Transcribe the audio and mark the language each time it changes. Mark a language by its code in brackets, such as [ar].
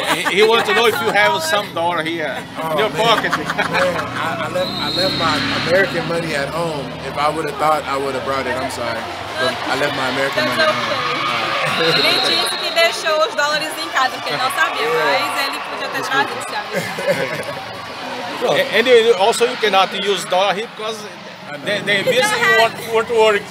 [en] He wants to know if you have some dollar here in your pocket. I left my American money at home. If I would have thought, I would have brought it. I'm sorry. But I left my American money at home. [pt] Ele disse que deixou os dólares em casa, porque ele não sabia, mas ele podia ter trazido, sabe? [en] And also, you cannot use dollar here because they missing what works.